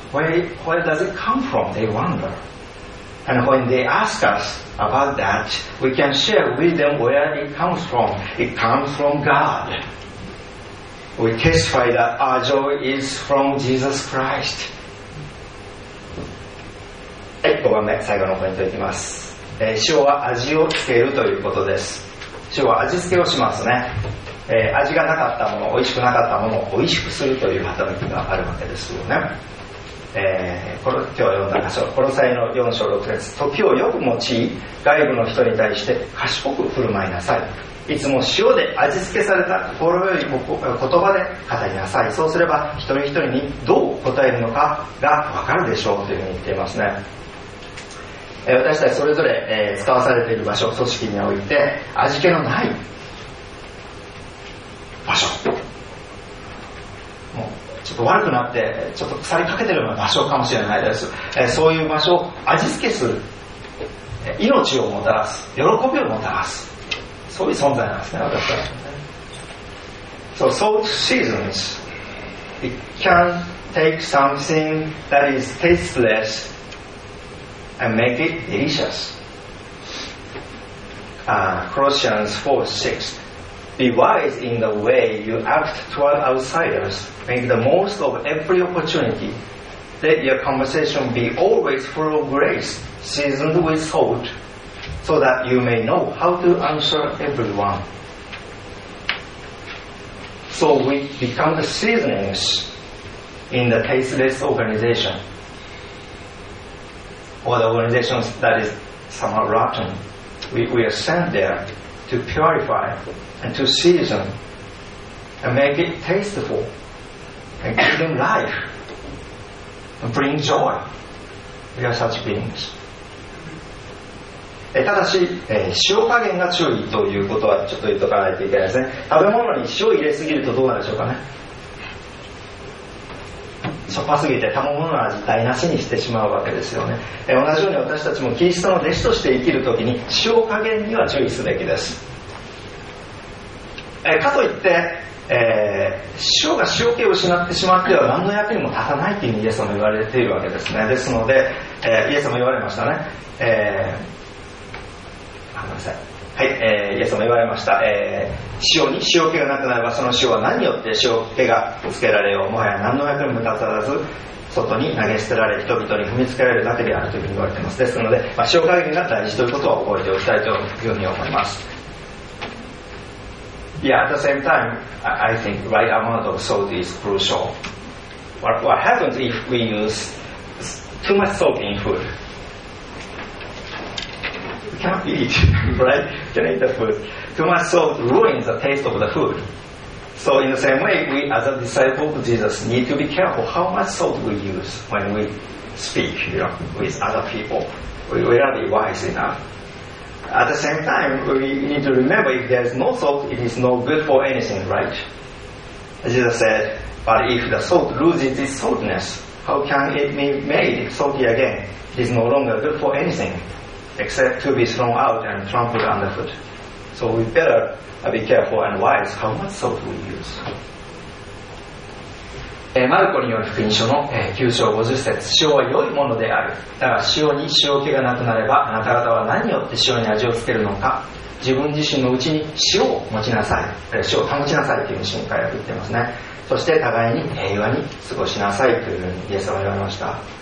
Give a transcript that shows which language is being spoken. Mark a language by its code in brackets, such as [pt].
[en] Where does it come from? They wonder. And when they ask us about that, we can share with them where it comes from. It comes from God. We testify that our joy is from Jesus Christ. [ja] 5番目、最後のポイントいきます。塩は味をつけるということです。塩は味付けをしますね。味がなかったもの、美味しくなかったものを美味しくするという働きがあるわけですよね。この今日読んだ箇所、コロサイの4章6節、時をよく用い、外部の人に対して賢く振る舞いなさい、いつも塩で味付けされた心よい言葉で語りなさい、そうすれば一人一人にどう答えるのかが分かるでしょうというふうに言っていますね。私たちそれぞれ、使わされている場所、組織において味気のない場所、ちょっと悪くなってちょっと腐りかけてるような場所かもしれないです。そういう場所を味付けする、命をもたらす、喜びをもたらす、そういう存在なんですね。私は。 [en] So salt seasons. It can take something that is tasteless and make it delicious. Colossians 4:6. Be wise in the way you act toward outsiders. Make the most of every opportunity. Let your conversation be always full of grace, seasoned with salt, so that you may know how to answer everyone. So we become the seasonings in the tasteless organization, or the organization that is somewhat rotten. We are sent there to purify. And to season and make it tasteful and give them life and bring joy. We are such beings. [ja] ただし、塩加減が注意ということはちょっと言っとかないといけないですね。食べ物に塩入れすぎるとどうなるでしょうかね。しょっぱすぎて食べ物の味台無しにしてしまうわけですよね。同じように私たちもキリストの弟子として生きるときに塩加減には注意すべきです。かといって、塩が塩気を失ってしまっては何の役にも立たないというふうにイエス様言われているわけですね。ですので、イエス様言われましたね、あのさはい、イエス様言われました、塩に塩気がなくなればその塩は何によって塩気がつけられよう、もはや何の役にも立たず外に投げ捨てられ人々に踏みつけられるだけであるというふうに言われています。ですので、まあ、塩加減が大事ということを覚えておきたいというふうに思います。 [en] Yeah, at the same time I think right amount of salt is crucial. What happens if we use too much salt in foodcannot eat, right? Can eat the food. Too much salt ruins the taste of the food. So in the same way, we as a disciple of Jesus need to be careful how much salt we use when we speak, you know, with other people. We will not be wise enough. At the same time, we need to remember if there is no salt, it is no good for anything, right? Jesus said, but if the salt loses its saltiness, how can it be made salty again? It is no longer good for anything. Except to be thrown out and trampled underfoot. So we better be careful and wise how much salt we use. [ja] マルコによる福音書の9章50節、塩は良いものである。だが塩に塩気がなくなれば、あなた方は何によって塩に味をつけるのか。自分自身のうちに塩を持ちなさい。塩を保ちなさいという神から言ってますね。そして互いに平和に過ごしなさいというふうにイエスは言われました。